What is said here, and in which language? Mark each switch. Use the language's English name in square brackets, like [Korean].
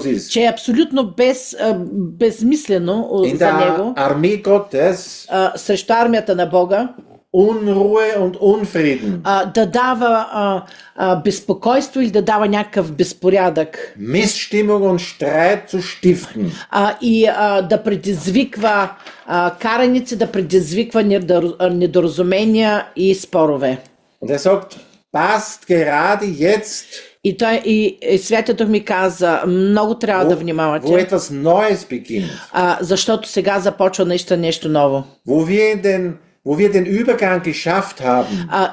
[Bulgarian] че е абсолютно безмислено за него, [German] армия Готес, [Bulgarian] срещу армията на Бога, [German] Unruhe und Unfrieden. [Bulgarian] Да дава безпокойство или да дава някакъв безпорядък. [German] Missstimmung und Streit zu stiften. [Bulgarian] Да предизвиква караници, да предизвиква недоразумения и спорове. [German] Und er sagt, passt gerade jetzt. [Bulgarian] И той, и Святия Дух ми каза, много трябва да внимавате. [German] Wo etwas Neues beginnt. [Bulgarian] Защото сега започва наистина нещо ново. [German] Wo wir den Übergang geschafft haben.